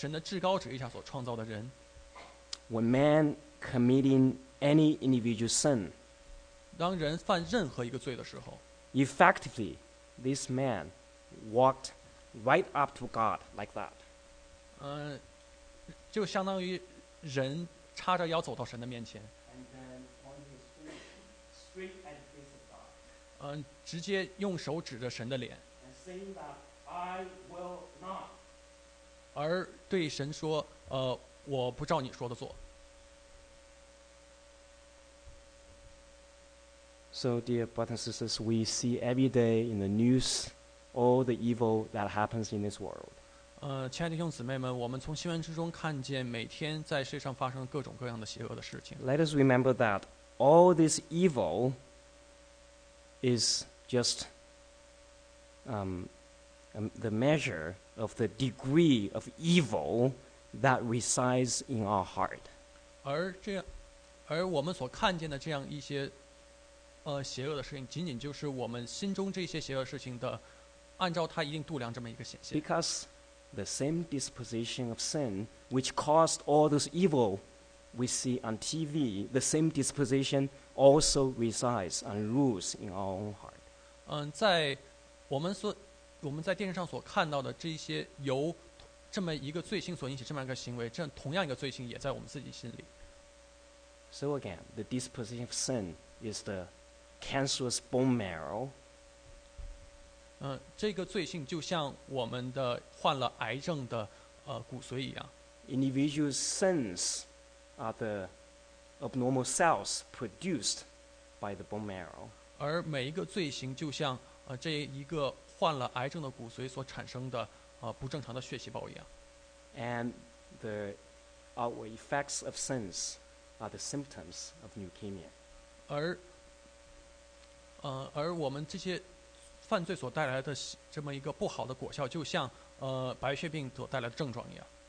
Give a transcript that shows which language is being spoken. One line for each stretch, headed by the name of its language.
Chinese: 神在神的至高旨意下所创造的人,
English: when man committing any individual sin,
Chinese: 当人犯任何一个罪的时候,
English: effectively, this man walked right up to God like that.
Chinese: 就相当于人叉着腰走到神的面前,
English: and then on his feet, straight at the face of God.
Chinese: 直接用手指着神的脸,
English: and saying that I will not.
Chinese: 而对神说, 我不照你说的做。
English: So, dear brothers and sisters, we see every day in the news all the evil that happens in this world.
Chinese: 亲爱的弟兄姊妹们，我们从新闻之中看见每天在世上发生各种各样的邪恶的事情。
English: Let us remember that all this evil is just the measure of the degree of evil that resides in our heart.
Chinese: 而我们所看见的这样一些邪恶的事情，仅仅就是我们心中这些邪恶事情的按照它一定度量这么一个显现。
English: Because the same disposition of sin which caused all this evil we see on TV, the same disposition also resides and rules in our own heart.
Chinese: 在我们在电视上所看到的这些由这么一个罪行所引起这么一个行为，这同样一个罪行也在我们自己心里。
English: So again, the disposition of sin is the cancerous bone marrow.
Chinese: 这个罪行就像我们的患了癌症的骨髓一样。
English: Individual sins are the abnormal cells produced by the bone marrow.
Chinese: 而每一个罪行就像这一个患了癌症的骨髓所产生的不正常的血细胞一样。
English: And the outward effects of sins are the symptoms of leukemia.
Chinese: 而我们这些犯罪所带来的这么一个不好的果效，就像白血病所带来的症状一样。